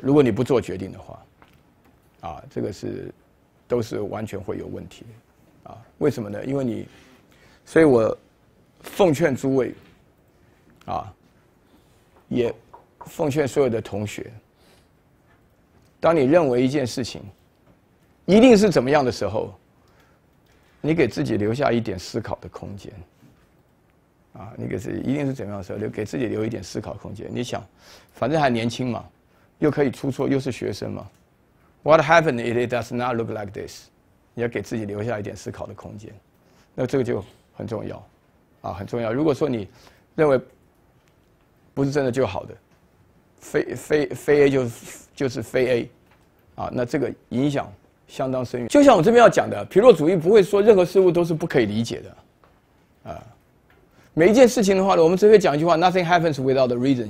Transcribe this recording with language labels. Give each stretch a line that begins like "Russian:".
Chinese: 如果你不做决定的话，啊，这个是都是完全会有问题的，啊，为什么呢？因为你，所以我奉劝诸位，啊，也奉劝所有的同学，当你认为一件事情一定是怎么样的时候，你给自己留下一点思考的空间，啊，你给自己一定是怎么样的时候，给自己留一点思考空间。你想，反正还年轻嘛，又可以出错，又是学生嘛。
English: What happened if it does not look like this？
Chinese: 你要给自己留下一点思考的空间，那这个就很重要，啊，很重要。如果说你认为不是真的就好的，非 A 就是非 A， 啊，那这个影响相当深远。就像我这边要讲的，皮洛主义不会说任何事物都是不可以理解的，啊，每一件事情的话呢，我们只会讲一句话 ：
English: nothing happens without a reason。